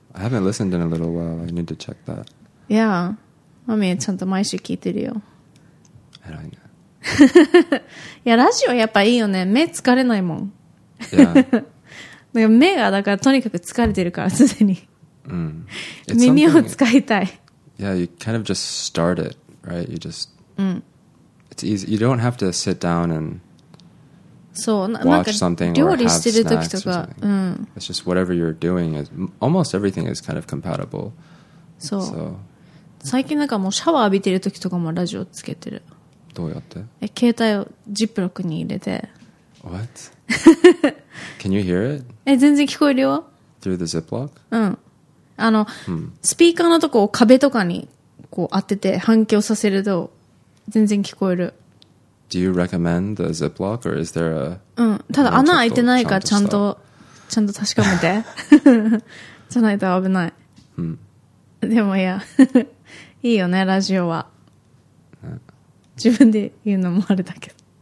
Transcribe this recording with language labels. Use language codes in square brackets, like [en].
[en] I haven't listened in a little while. I need to check that. Yeah. [ja] マミーちゃんと毎週聞いてるよ。偉いね。いや、ラジオやっぱいいよね。目疲れないもん。 [en] Yeah. [ja] か目がだからとにかく疲れてるから、すでに。うん。耳を使いたい。 [en] Yeah, you kind of just start it, right? You just... It's easy. You don't have to sit down and watch something or have snacks or something. It's just whatever you're doing is almost everything is kind of compatible. [ja] So, 最近なんかもうシャワー浴びてる時とかもラジオつけてる。どうやって？え、携帯をジップロックに入れて。 [en] What? Can you hear it? [ja] え、全然聞こえるよ。 [en] Through the ziplock? [ja] うん。あの、スピーカーのとこを壁とかにこう当てて反響させると。全然聞こえる。 [en] Do you recommend the ziplock or is there a... [ja] ただ穴開いてないからちゃんと確かめて。じゃないと危ない。でもいや、いいよね、ラジオは。自分で言うのもあれだけど。